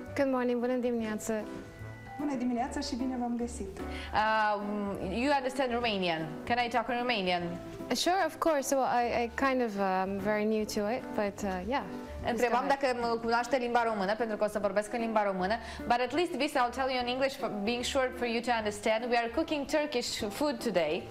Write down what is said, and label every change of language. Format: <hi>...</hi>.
<en>Good morning,</en> <ro>bună dimineața! Bună dimineața și bine v-am găsit!</ro> <en>You understand Romanian. Can I talk in Romanian? Sure, of course. Well, I kind of am very new to it, but yeah.</en> <ro>Întrebam dacă mă cunoaște limba română, pentru că o să vorbesc în limba română.</ro> <en>But at least this I'll tell you in English, for being sure for you to understand. We are cooking Turkish food today.</en>